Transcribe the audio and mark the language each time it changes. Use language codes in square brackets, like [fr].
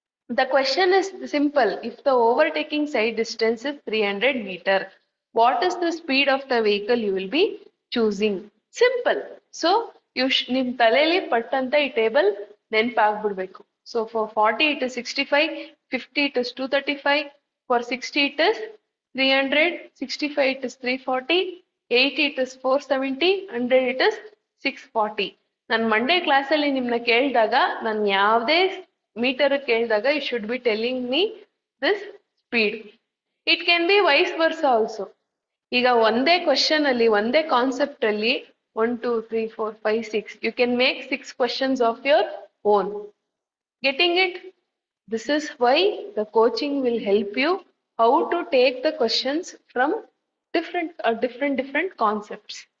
[en] The question is simple, if the overtaking side distance is 300 meters, what is the speed of the vehicle you will be choosing? Simple. [kn] So you ನಿಮ್ ತಲೆಯಲ್ಲಿ ಪಟ್ಟಂತ ಈ table ನೆನ್ಪಾಗ್ಬಿಡ್ಬೇಕು. [en] So for 40 it is 65, 50 it is 235, for 60 it is 300, 65 it is 340, 80 it is 470, 100 it is 640. [kn] ನಾನು Monday ಕ್ಲಾಸಲ್ಲಿ ನಿಮ್ನ ಕೇಳಿದಾಗ, ನಾನು ಯಾವುದೇ ಮೀಟರ್ ಕೇಳಿದಾಗ, [en] You should be telling me this speed. It can be vice versa also. [kn] ಈಗ ಒಂದೇ question ಅಲ್ಲಿ, ಒಂದೇ ಕಾನ್ಸೆಪ್ಟ್ ಅಲ್ಲಿ [en] 1 2 3 4 5 6 you can make 6 questions of your own. Getting it? This is why the coaching will help you how to take the questions from different different concepts.